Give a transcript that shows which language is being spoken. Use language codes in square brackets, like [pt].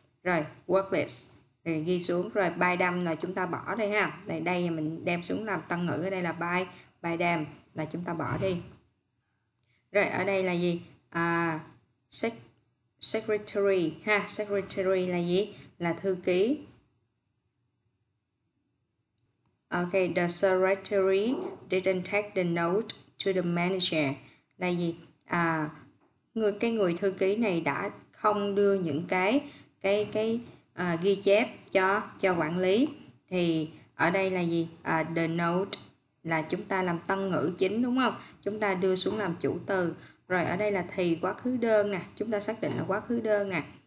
[vi] Rồi worklist thì ghi xuống. Rồi [en] by them [vi] là chúng ta bỏ đây ha. Đây đây mình đem xuống làm tân ngữ, ở đây là [en] by by them [vi] là chúng ta bỏ đi. Rồi ở đây là gì? Secretary ha, secretary là gì? Là thư ký. [en] Ok, the secretary didn't take the note to the manager. [vi] Là gì? À, người thư ký này đã không đưa những cái ghi chép cho quản lý. Thì ở đây là gì? [en] The note [vi] là chúng ta làm tân ngữ chính đúng không? Chúng ta đưa xuống làm chủ từ. Rồi ở đây là thì quá khứ đơn nè, chúng ta xác định là quá khứ đơn nè.